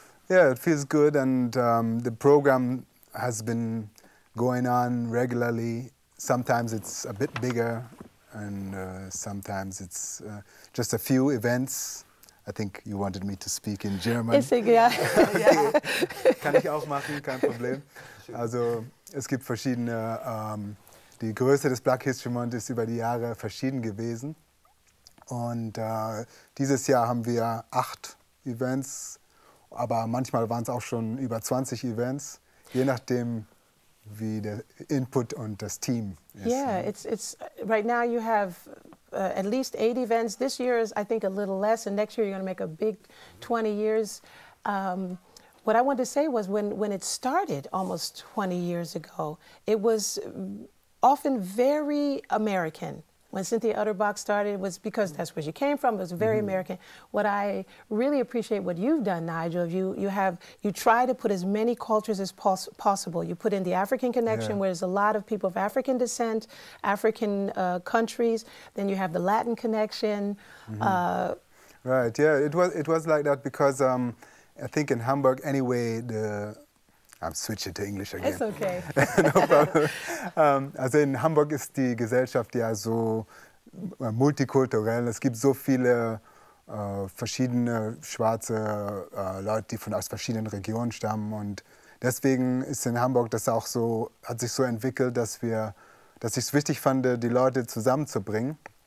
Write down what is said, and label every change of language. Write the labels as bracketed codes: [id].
[en] Yeah, it feels good, and the program has been going on regularly. Sometimes it's a bit bigger, and sometimes it's just a few events. I think you wanted me to speak in German. [de] Ich denke, ja. Kann ich auch machen, kein Problem. Also es gibt verschiedene, die Größe des Black History Month ist über die Jahre verschieden gewesen. Und dieses Jahr haben wir 8 Events, aber manchmal waren es auch schon über 20 Events, je nachdem wie der Input und das Team ist. [en] Yeah, it's right now you have at least 8 events. This year is, I think, a little less, and next year you're going to make a big 20 years. What I wanted to say was when it started almost 20 years ago, it was often very American. When Cynthia Utterbach started, it was because that's where she came from. It was very American. What I really appreciate what you've done, Nigel, you try to put as many cultures as possible. You put in the African connection, where there's a lot of people of African descent, African countries. Then you have the Latin connection. Right. Yeah. It was like that because I think in Hamburg anyway, the I'll switch it to English again. It's okay. No problem. [de] Also in Hamburg ist die Gesellschaft ja so multikulturell. Es gibt so viele verschiedene schwarze Leute, die aus verschiedenen Regionen stammen. Und deswegen ist in Hamburg das auch so, hat sich so entwickelt, dass ich es wichtig fand, die Leute zusammenzubringen.